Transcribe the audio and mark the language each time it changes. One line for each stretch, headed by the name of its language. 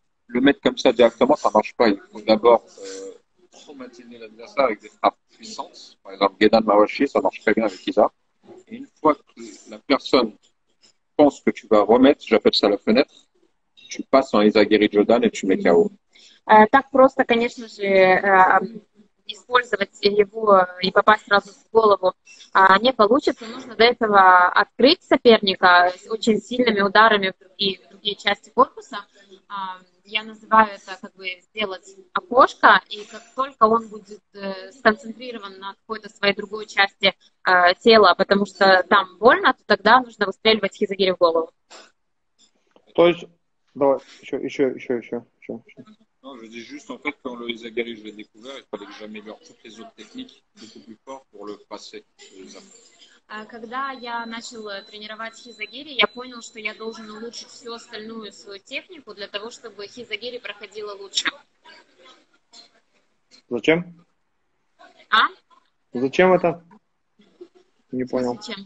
French: Le mettre comme ça directement, ça marche pas. Il faut d'abord traumatiser l'adversaire avec des frappes puissantes. Par exemple, Gedan Mawashi, ça marche très bien avec Isa. Et une fois que la personne pense que tu vas remettre, j'appelle ça la fenêtre, tu passes en hizagiri Jodan et tu mets KO.
Russian: Так просто, конечно же, использовать его и попасть сразу в голову не получится. Нужно до этого открыть соперника очень сильными ударами в другие части корпуса. Я называю это как бы сделать окошко, и как только он будет сконцентрирован на какой-то своей другой части тела, потому что там больно, то тогда нужно выстреливать хизагири в голову. То есть, давай, еще.
French: Non, je dis juste en fait quand le hizagiri je l'ai découvert, il fallait que j'améliore toutes les autres techniques beaucoup plus fort pour le passer.
Russian: Когда я начал тренировать хизагири, я понял, что я должен улучшить всю остальную свою технику для того, чтобы хизагири проходило лучше. Зачем? А? Зачем это? Не понял.